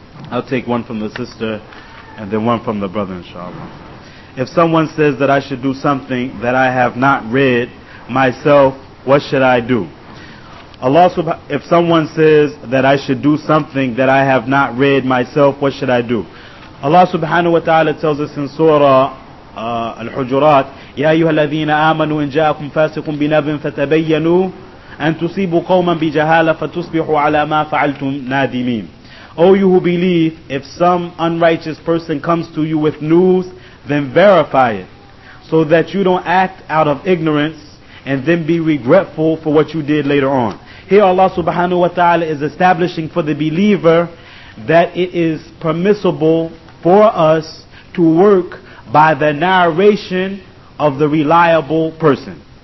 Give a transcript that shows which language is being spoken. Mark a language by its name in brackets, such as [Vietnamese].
[English] I'll take one from the sister and then one from the brother, inshallah. If someone says that I should do something that I have not read myself, what should I do? If someone says that I should do something that I have not read myself, what should I do? Allah subhanahu wa ta'ala tells us in Surah Al-Hujurat, [Arabic] يَا أَيُّهَا الَّذِينَ آمَنُوا إِنْ جَاءَكُمْ فَاسِقٌ بِنَبَإٍ فَتَبَيَّنُوا أَنْ تُصِيبُوا قَوْمًا بِجَهَالَةٍ فَتُصْبِحُوا عَلَى مَا فَعَلْتُمْ نَادِمِينَ. [English] O you who believe, if some unrighteous person comes to you with news, then verify it, so that you don't act out of ignorance and then be regretful for what you did later on. Here Allah subhanahu wa ta'ala is establishing for the believer that it is permissible for us to work by the narration of the reliable person.